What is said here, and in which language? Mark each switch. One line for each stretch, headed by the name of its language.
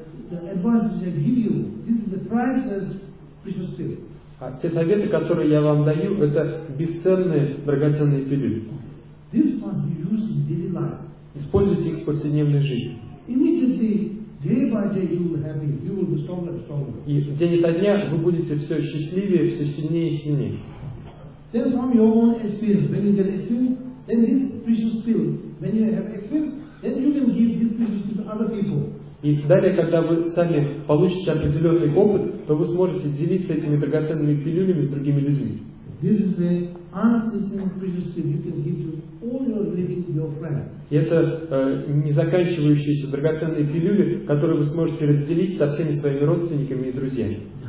English: The advantage I give you, this is the priceless precious pill.
Russian: Те советы, которые я вам даю, это бесценные, драгоценные пилюли.
English: This one you use in daily life.
Russian: Используйте их в повседневной жизни.
English: Immediately, day by day, you will have it. You will be stronger and stronger.
Russian: И день ото дня вы будете все счастливее, все сильнее и сильнее.
English: Then from your own experience, when you get experience, then this precious pill. When you have experience, then you can give this precious pill to other people.
Russian: И далее, когда вы сами получите определенный опыт, то вы сможете делиться этими драгоценными пилюлями с другими людьми. И это незаканчивающиеся драгоценные пилюли, которые вы сможете разделить со всеми своими родственниками и друзьями.